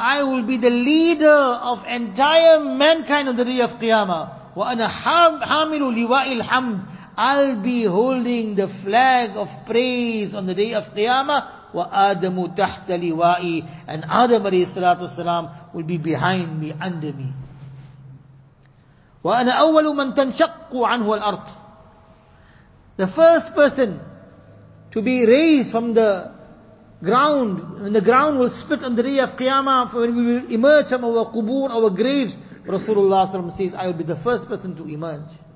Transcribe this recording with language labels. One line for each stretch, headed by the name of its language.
English: I will be the leader of entire mankind on the day of qiyamah.
Arabic: وَأَنَا حَامِلُ لِوَاءِ الْحَمْدِ.
English: I'll be holding the flag of praise on the day of Qiyamah.
Arabic: وآدم تحت لوائي.
English: And Adam
Arabic: عليه الصلاة والسلام
English: will be behind me, under me.
Arabic: وأنا أول من تنشق عنه الأرض.
English: The first person to be raised from the ground, and the ground will split on the day of Qiyamah, for when we will emerge from our qubur, our graves, Rasulullah SAW says, I will be the first person to emerge.